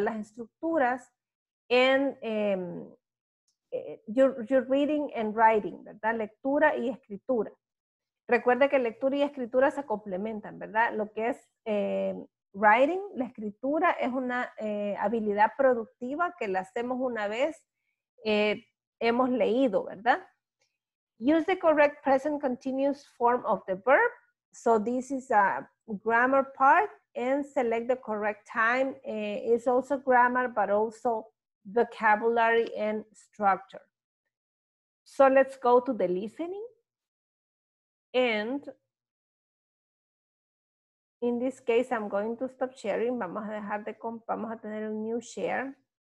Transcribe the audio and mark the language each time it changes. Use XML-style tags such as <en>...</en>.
<es>Las estructuras en</es> <en>your reading and writing,</en> <es>¿verdad? Lectura y escritura. Recuerda que lectura y escritura se complementan, ¿verdad? Lo que es writing, la escritura, es una habilidad productiva que la hacemos una vez hemos leído, ¿verdad?</es> <en>Use the correct present continuous form of the verb. So this is a grammar part and select the correct time. It's also grammar, but also vocabulary and structure. So let's go to the listening. And in this case, I'm going to stop sharing.</en> <es>Vamos a dejar de vamos a tener un</es> <en>new share.</en>